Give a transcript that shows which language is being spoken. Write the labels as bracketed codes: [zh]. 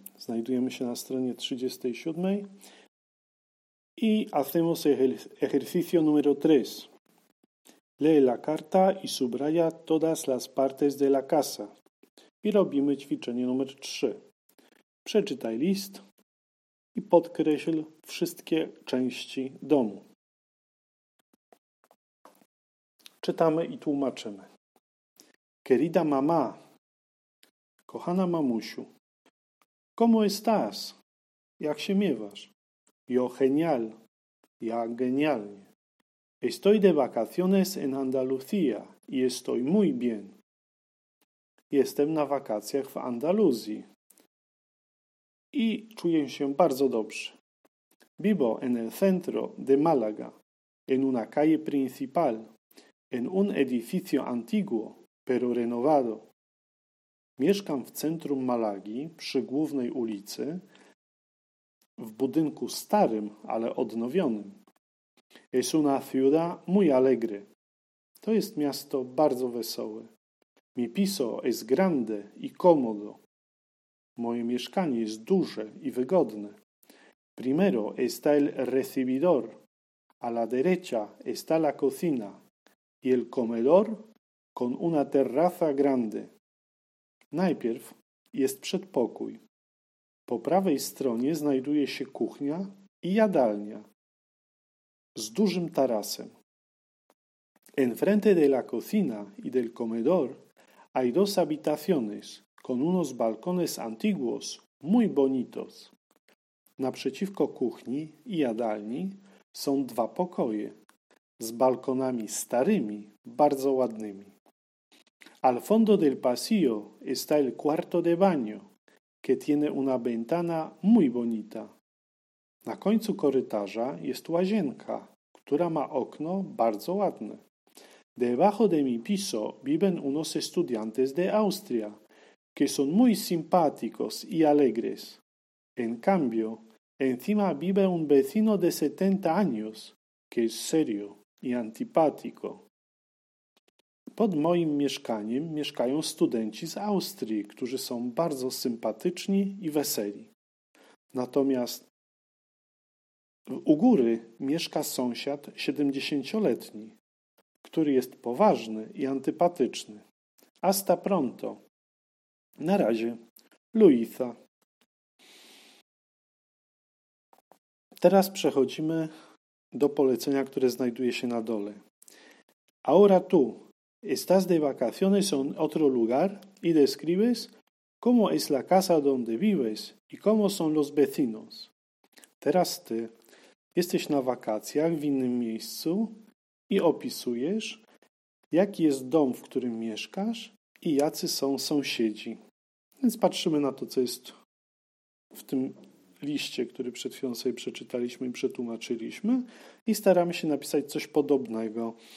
[pl] Znajdujemy się na stronie 37. [es] Y hacemos ejercicio número 3. Lee la carta y subraya todas las partes de la casa. [pl] I robimy ćwiczenie numer 3. Przeczytaj list i podkreśl wszystkie części domu. Czytamy i tłumaczymy. [es] Querida mamá, [pl] kochana mamusiu, [es] ¿cómo estás? [pl] Jak się miewasz? [es] Yo genial, [pl] ja genialnie. [es] Estoy de vacaciones en Andalucía y estoy muy bien. [pl] Jestem na wakacjach w Andaluzji i czuję się bardzo dobrze. [es] Vivo en el centro de Málaga, en una calle principal, en un edificio antiguo. Pero renovado. [pl] Mieszkam w centrum Malagi, przy głównej ulicy, w budynku starym, ale odnowionym. [es] Es una ciudad muy alegre. [pl] To jest miasto bardzo wesołe. [es] Mi piso es grande y cómodo. [pl] Moje mieszkanie jest duże i wygodne. [es] Primero está el recibidor. A la derecha está la cocina. Y el comedor con una terraza grande. [pl] Najpierw jest przedpokój. Po prawej stronie znajduje się kuchnia i jadalnia z dużym tarasem. [es] Enfrente de la cocina y del comedor hay dos habitaciones con unos balcones antiguos muy bonitos. [pl] Naprzeciwko kuchni i jadalni są dwa pokoje z balkonami starymi, bardzo ładnymi. [es] Al fondo del pasillo está el cuarto de baño, que tiene una ventana muy bonita. [pl] Na końcu korytarza jest łazienka, która ma okno bardzo ładne. [es] Debajo de mi piso viven unos estudiantes de Austria, que son muy simpáticos y alegres. En cambio, encima vive un vecino de 70 años, que es serio y antipático. [pl] Pod moim mieszkaniem mieszkają studenci z Austrii, którzy są bardzo sympatyczni i weseli. Natomiast u góry mieszka sąsiad 70-letni, który jest poważny i antypatyczny. [es] Hasta pronto. [pl] Na razie. Luisa. Teraz przechodzimy do polecenia, które znajduje się na dole. [es] Ahora tú. Estás de vacaciones en otro lugar y describes cómo es la casa donde vives y cómo son los vecinos. [pl] Teraz ty jesteś na wakacjach w innym miejscu i opisujesz, jaki jest dom, w którym mieszkasz i jacy są sąsiedzi. Więc patrzymy na to, co jest w tym liście, który przed chwilą sobie przeczytaliśmy i przetłumaczyliśmy i staramy się napisać coś podobnego.